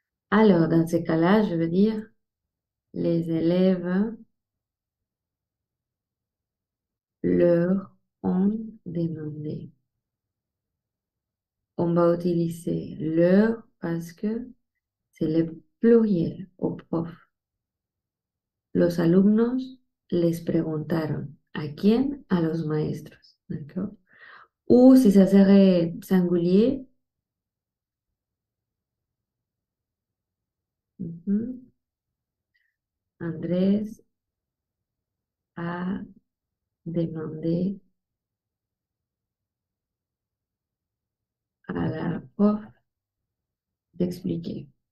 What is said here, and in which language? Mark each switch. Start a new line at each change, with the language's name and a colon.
French: Alors, dans ce cas-là, je veux dire, les élèves, leur ont demandé. On va utiliser leur parce que c'est le pluriel au prof.
Spanish: Los alumnos les preguntaron. ¿A quién? A los maestros. D'accord.
French: Ou si ça serait singulier. Andrés a demandé à la prof d'expliquer.